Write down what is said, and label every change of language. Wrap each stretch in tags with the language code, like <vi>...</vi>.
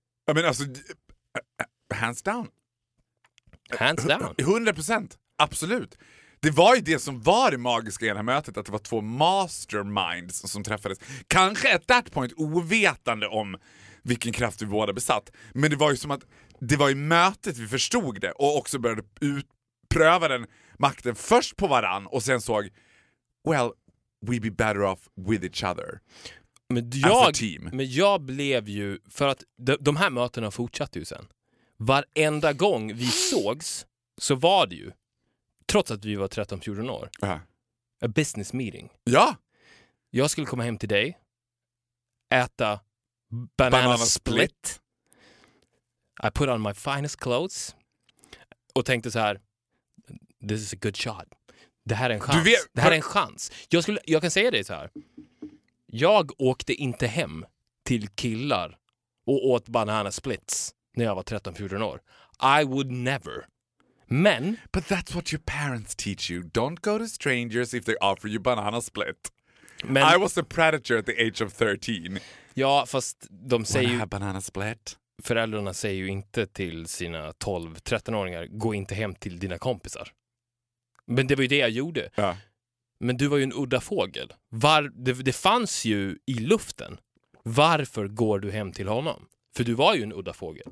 <en>I mean,</en> <sv>alltså,</sv> <en>hands down. Hands down.</en> <sv>100%, absolut. Det var ju det som var det magiska i det här mötet, att det var två masterminds som träffades. Kanske</sv> <en>at that point</en> <sv>ovetande om vilken kraft vi båda besatt. Men det var ju som att det var i mötet vi förstod det och också började utpröva den makten först på varann och sen såg,</sv> <en>well, we'd be better off with each other.</en> <sv>Men jag,</sv> <en>as a team.</en> <sv>Men jag blev ju, för att de här mötena fortsatte ju sen. Varenda gång vi sågs så var det ju, trots att vi var 13-14 år,</sv> <en>a business meeting.</en> <sv>Ja! Jag skulle komma hem till dig, äta banana split.</sv> <en>I put on my finest clothes</en> <sv>och tänkte så här,</sv> <en>this is a good shot.</en> <sv>Det här är en chans. Det här är en chans. Jag kan säga det så här. Jag åkte inte hem till killar och åt banana splits när jag var 13-14 år.</sv> <en>I would never.</en> <sv>Men</sv> <en>but that's what your parents teach you. Don't go to strangers if they offer you banana split.</en> <sv>Men,</sv> <en>I was a predator at the age of 13.</en> <sv>Ja, fast de säger ju,</sv> <en>banana split.</en> <sv>Föräldrarna säger ju inte till sina 12-13-åringar, gå inte hem till dina kompisar. Men det var ju det jag gjorde. Ja. Men du var ju en udda fågel. Det fanns ju i luften. Varför går du hem till honom? För du var ju en udda fågel.</sv>